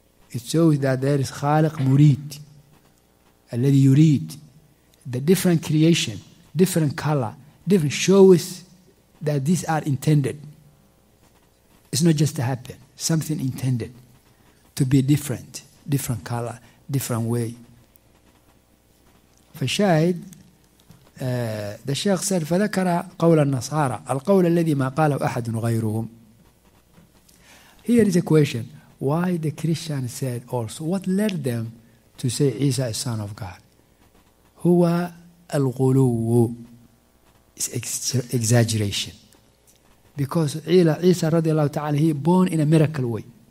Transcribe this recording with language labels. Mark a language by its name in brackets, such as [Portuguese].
[English] It shows that there is Khaliq Murid, [Arabic] الذي يريد, [English] the different creation, different color, different shows that these are intended. It's not just to happen, something intended to be different, different color, different way. [Arabic] فشاهد الشيخ سأل فذكر قول النصارى القول الذي ما قاله أحد غيرهم. [English] Here is a question: why the Christian said also? What led them to say Isa is son of God? [Arabic] هو الغلو. [English] It's exaggeration. Because Isa [Arabic] رضي الله تعالى [English] he born in a miracle way.